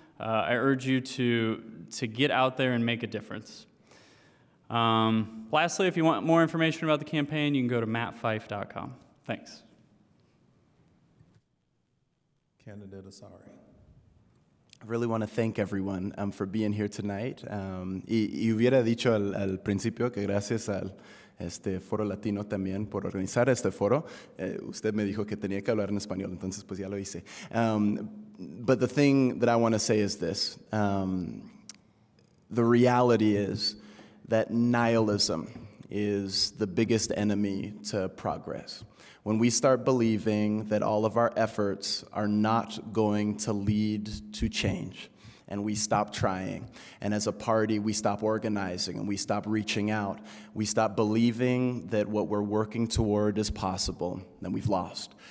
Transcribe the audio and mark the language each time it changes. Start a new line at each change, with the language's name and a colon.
English: I urge you to get out there and make a difference. Lastly, if you want more information about the campaign, you can go to mattfife.com. Thanks. Candidate Asari. I really want to thank everyone for being here tonight.
Spanish: Y hubiera dicho al principio que gracias al este foro latino también por organizar este foro. Usted me dijo que tenía que hablar en español, entonces pues ya lo hice.
English: But the thing that I want to say is this. The reality is that nihilism is the biggest enemy to progress. When we start believing that all of our efforts are not going to lead to change, and we stop trying, and as a party we stop organizing and we stop reaching out, we stop believing that what we're working toward is possible, then we've lost.